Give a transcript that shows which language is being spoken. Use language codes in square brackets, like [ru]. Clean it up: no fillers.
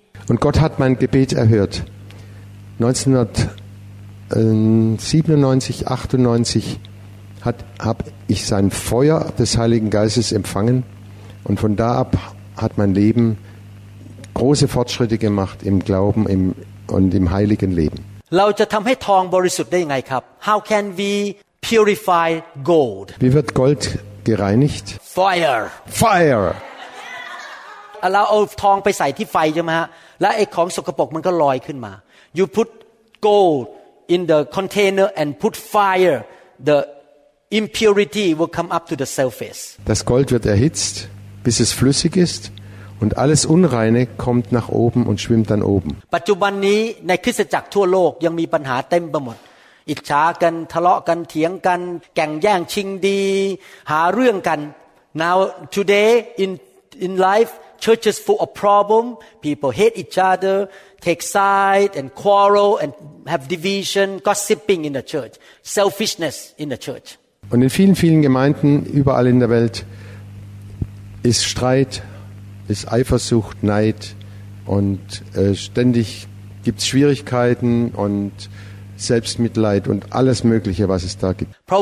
[de] Und Gott hat mein Gebet erhört 1997 98 habe ich sein Feuer des Heiligen Geistes empfangen und von da ab hat mein Leben große Fortschritte gemacht im Glauben imund im heiligen Leben. [th] เราจะทำให้ทองบริสุทธิ์ได้ยังไงครับ [en] How can we purify gold? [de] Wie wird Gold gereinigt? [en] Fire. Fire. [th] เราเอาทองไปใส่ที่ไฟใช่ไหมฮะแล้วไอ้ของสกปรกมันก็ลอยขึ้นมา [en] You put gold in the container and put fire. The impurity will come up to the surface. [de] Das Gold wird erhitzt, bis es flüssig ist. Und alles Unreine kommt nach oben und schwimmt dann oben. [th] ปัจจุบันนี้ในคริสตจักรทั่วโลกยังมีปัญหาเต็มไปหมดอิจฉากันทะเลาะกันเถียงกันแก่งแย่งชิงดีหาเรื่องกัน [en] Now today in life churches full of problem people hate each other take sides and quarrel and have division gossiping in the church selfishness in the church. [de] Und in vielen vielen Gemeinden überall in der Welt ist Streit. Ist Eifersucht, Neid und ständig gibt es Schwierigkeiten und Selbstmitleid und alles Mögliche, was es da gibt.